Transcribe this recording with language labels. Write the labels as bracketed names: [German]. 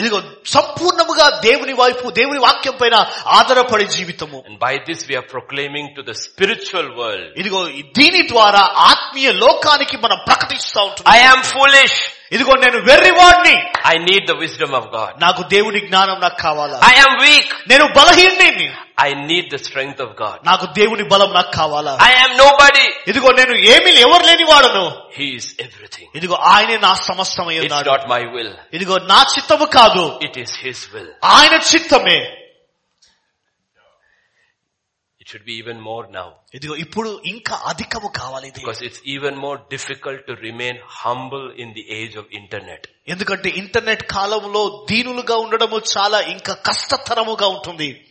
[Telugu] ఇదిగో సంపూర్ణముగా దేవుని వైపు దేవుని వాక్యం పైన ఆధారపడే జీవితము. [English] And by this we are proclaiming to the spiritual world. [Telugu] ఇదిగో దీని ద్వారా ఆత్మీయ లోకానికి మనం ప్రకటిస్తా ఉంటున్నాం. [English] I am foolish. [Telugu] ఇదిగో నేను వెర్రివాడిని. [English] I need the wisdom of God. [Telugu] నాకు దేవుని జ్ఞానం నాకు కావాలా. [English] I am weak. [Telugu] నేను బలహీనుడిని. [English] I need the strength of God. [Telugu] నాకు దేవుని బలం నాకు కావాలా. [English] I am nobody. [Telugu] ఇదిగో నేను ఏమీ ఎవరు లేని వాడను. [English] He is everything. [Telugu] ఇదిగో ఆయనే నా సమస్తమై ఉన్నాడు. [English] It's not my will. [Telugu] ఇదిగో నా చిత్తము కాదు. [English] It is his will. [Telugu] ఆయన చిత్తమే. [English] Should be even more now. [Telugu] ఇదిగో ఇప్పుడు ఇంకా అధికము కావాలి. [English] Because it's even more difficult to remain humble in the age of internet. [Telugu] ఎందుకంటే ఇంటర్నెట్ కాలంలో దీనులుగా ఉండడము చాలా ఇంకా కష్టతరముగా ఉంటుంది.